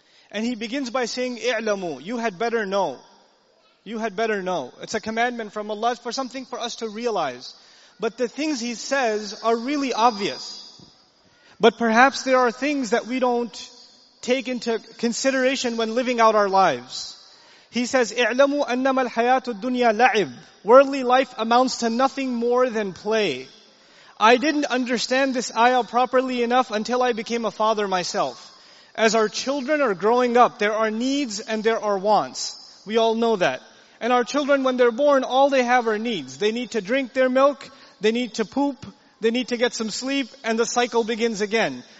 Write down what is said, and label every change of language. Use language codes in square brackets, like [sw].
[en] And he begins by saying, [ar] اِعْلَمُوا. [en] You had better know. You had better know. It's a commandment from Allah for something for us to realize. But the things he says are really obvious. But perhaps there are things that we don't take into consideration when living out our lives. He says, [ar] اِعْلَمُوا أَنَّمَا الْحَيَاةُ الدُّنْيَا لَعِبُ. [en] Worldly life amounts to nothing more than play. I didn't understand this ayah properly enough until I became a father myself. As our children are growing up, there are needs and there are wants. We all know that. And our children, when they're born, all they have are needs. They need to drink their milk, they need to poop, they need to get some sleep, and the cycle begins again.